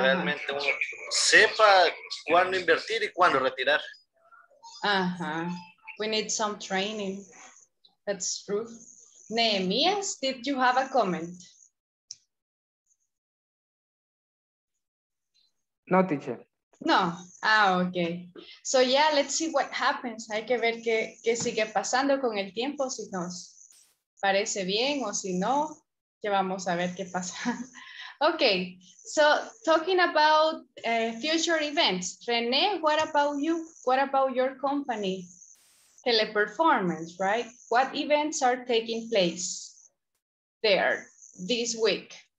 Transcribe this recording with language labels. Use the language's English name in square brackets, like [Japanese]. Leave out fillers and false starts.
[Spanish] realmente uno sepa cuándo invertir y cuándo retirar. [English] Uh-huh. We need some training. That's true. Nehemias, did you have a comment? No, teacher. No. Ah, okay. So yeah, let's see what happens. [Spanish] Hay que ver qué sigue pasando con el tiempo, si nos parece bien o si no, que vamos a ver qué pasa. [English] Okay, so talking about future events, René, what about you? What about your company? Teleperformance, right? What events are taking place there this week?